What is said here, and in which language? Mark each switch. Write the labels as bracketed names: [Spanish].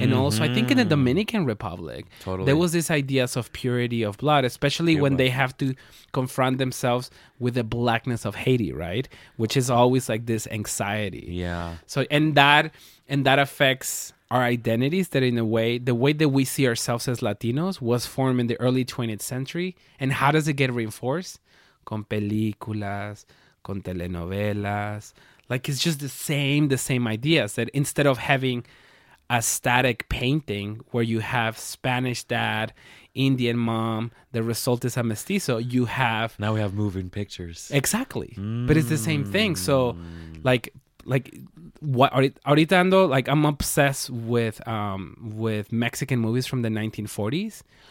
[English] And also, I think in the Dominican Republic, there was this idea of purity of blood, especially when they have to confront themselves with the blackness of Haiti, right? Which is always like this anxiety. Yeah. So, and that affects our identities, that in a way, the way that we see ourselves as Latinos was formed in the early 20th century. And how does it get reinforced? [Spanish] Con películas, con telenovelas. [English] Like, it's just the same ideas, that instead of having a static painting where you have Spanish dad, Indian mom, the result is a mestizo, you have... Now we have moving pictures. Exactly. Mm. But it's the same thing. So, like what [Spanish] ahorita ando, [English] like, I'm obsessed with Mexican movies from the 1940s.